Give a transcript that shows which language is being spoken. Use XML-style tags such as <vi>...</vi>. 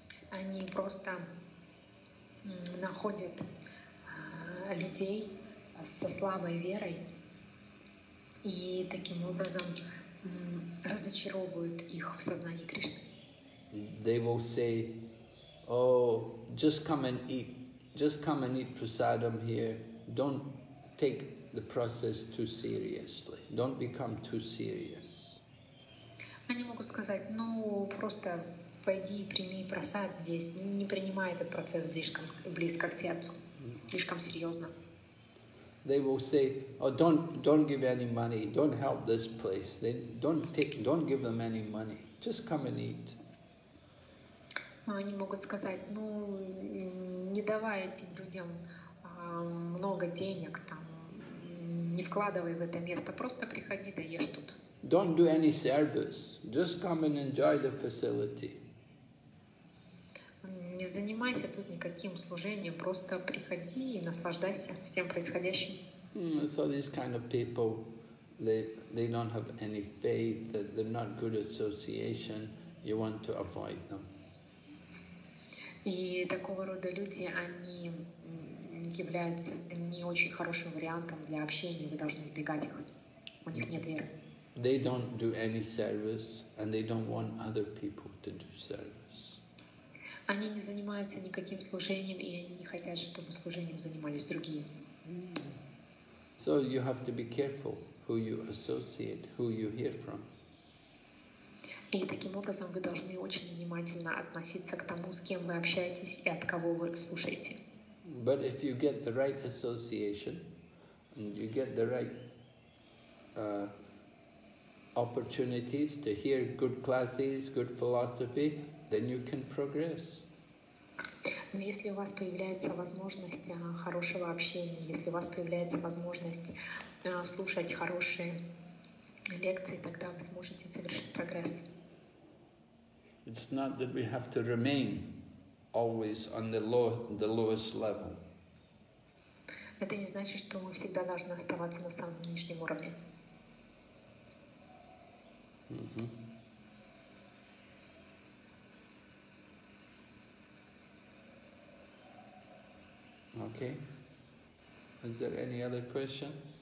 <ru>Они просто находят людей со слабой верой и таким образом разочаровывают их в сознании Кришны.</ru> <en>They will say, oh, just come and eat prasadam here. Don't take the process too seriously. Don't become too serious.</en> <ru>Они могут сказать, просто пойди и прими прасад здесь. Не принимай этот процесс близко к сердцу. Слишком серьезно.</ru> <en>They will say, oh, don't give any money, don't help this place. They don't give them any money. Just come and eat.</en> <ru>Они могут сказать, не давай этим людям много денег, там, не вкладывай в это место, просто приходи да ешь тут.</ru> <en>Don't do any service. Just come and enjoy the facility.</en> <ru>Не занимайся тут никаким служением, просто приходи и наслаждайся всем происходящим.</ru> <en>So these kind of people, they don't have any faith, that they're not good association, you want to avoid them.</en> <ru>И такого рода люди, они является не очень хорошим вариантом для общения, вы должны избегать их. У них нет веры.</ru> <en>They don't do any service, and they don't want other people to do service.</en> <ru>Они не занимаются никаким служением, и они не хотят, чтобы служением занимались другие.</ru> <en>So you have to be careful who you associate, who you hear from.</en> <ru>И таким образом вы должны очень внимательно относиться к тому, с кем вы общаетесь и от кого вы слушаете.</ru> <en>But if you get the right association, and you get the right opportunities to hear good classes, good philosophy, then you can progress.</en> <ru>Но если у вас появляется возможность хорошего общения, если у вас появляется возможность слушать хорошие лекции, тогда вы сможете совершить прогресс.</ru> <en>It's not that we have to remain always on the lowest level.</en> <ru>Это не значит, что мы всегда должны оставаться на самом нижнем уровне.</ru> <en>Mm-hmm. Okay. Is there any other question?</en>